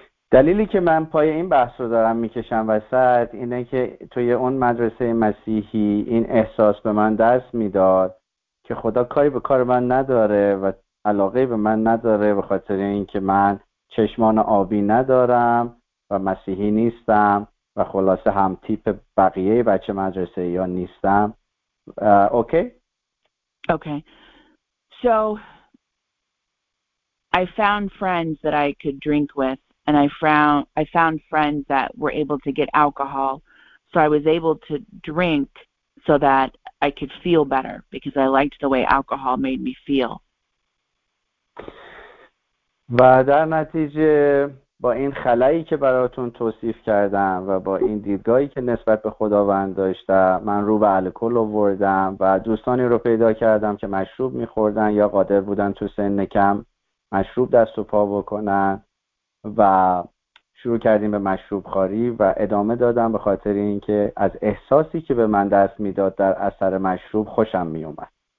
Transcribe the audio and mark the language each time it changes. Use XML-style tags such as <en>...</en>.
<fa>دلیلی که من پای این بحث رو دارم میکشم وسط اینه که توی اون مدرسه مسیحی این احساس به من دست میداد که خدا کاری به کار من نداره و علاقه به من نداره به خاطر اینکه من چشمان آبی ندارم و مسیحی نیستم و خلاصه هم تیپ بقیه بچه مدرسه یا نیستم.</fa> <en>Okay? Okay. So I found friends that I could drink with and I found friends that were able to get alcohol, so I was able to drink so that I could feel better because I liked the way alcohol made me feel.</en> <fa>و در نتیجه با این خلایی که براتون توصیف کردم و با این دیدگاهی که نسبت به خداوند داشتم من رو به الکل آوردم و دوستانی رو پیدا کردم که مشروب می‌خوردن یا قادر بودن تو سن کم مشروب دست و پا بکنن و شروع کردیم به مشروب خاری و ادامه دادم به خاطر اینکه از احساسی که به من دست میداد در اثر مشروب خوشم میومد.</fa>